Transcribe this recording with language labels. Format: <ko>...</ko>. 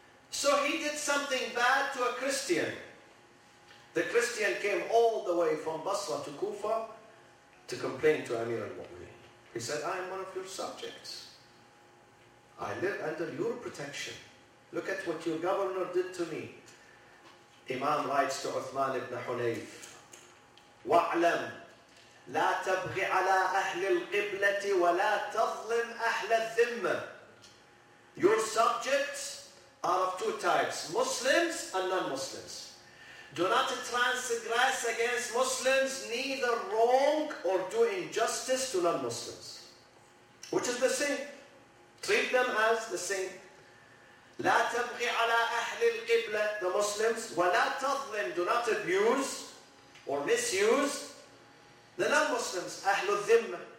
<en>So he did something bad to a Christian. The Christian came all the way from Basra to Kufa to complain to Amir al-Mu'mineen. He said, "I am one of your subjects. I live under your protection. Look at what your governor did to me." Imam writes to Uthman ibn Hunayf, "Wa'lam</en> <ar>لا تبغي على أهل القبلة ولا تظلم أهل الذمة.</ar> <en>Your subjects are of two types, Muslims and non-Muslims. Do not transgress against Muslims, neither wrong or do injustice to non-Muslims. Which is the same. Treat them as the same. لا تبغي على أهل القبلة, the Muslims, ولا تظلم, do not abuse or misuse the non-Muslims, أهل الذمة.</en>